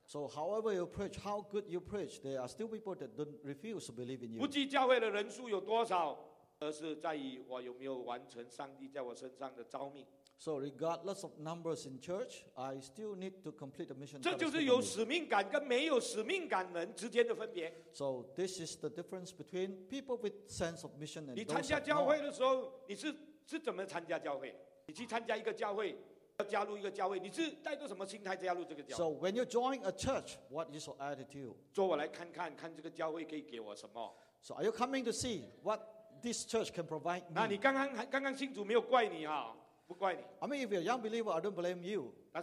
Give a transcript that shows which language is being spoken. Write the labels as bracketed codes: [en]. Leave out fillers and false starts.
[en] So however you preach, how good you preach, there are still people that don't refuse to believe in you. [zh] 不计教会的人数有多少。而是在于我有没有完成上帝在我身上的召命。 [en] So regardless of numbers in church, I still need to complete the mission. [zh] 这就是有使命感跟没有使命感人之间的分别。 [en] So this is the difference between people with sense of mission and those [zh] 你参加教会的时候，你是怎么参加教会？你去参加一个教会，要加入一个教会，你是带着什么心态加入这个教会？ [en] So when you join a church, what is your attitude? [zh] 做我来看看，看这个教会可以给我什么？ [en] So are you coming to see what this church can provide me? [zh] 那你刚刚信主没有怪你啊，不怪你。 [en] I mean, if you're a young believer, I don't blame you.